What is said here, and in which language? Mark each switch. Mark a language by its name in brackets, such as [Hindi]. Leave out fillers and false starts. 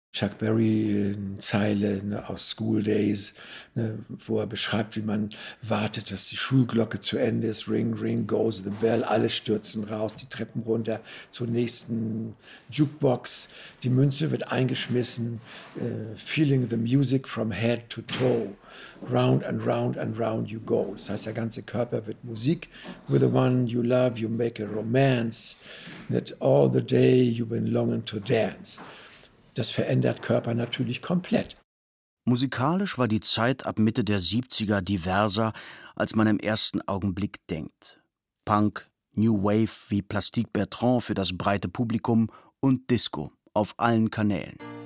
[German] Chuck Berry, Zeile, ne, aus School Days, ne, wo er beschreibt, wie man wartet, dass die Schulglocke zu Ende ist. [English] Ring, ring, goes the bell. [German] Alle stürzen raus, die Treppen runter zur nächsten Jukebox. Die Münze wird eingeschmissen. [English] Feeling the music from head to toe. Round and round and round you go. [German] Das heißt, der ganze Körper wird Musik. [English] With the one you love, you make a romance. That all the day you've been longing to dance. [German] Das verändert Körper natürlich komplett. Musikalisch war die Zeit ab Mitte der 70er diverser, als man im ersten Augenblick denkt. Punk, New Wave wie Plastique Bertrand für das breite Publikum und Disco auf allen Kanälen.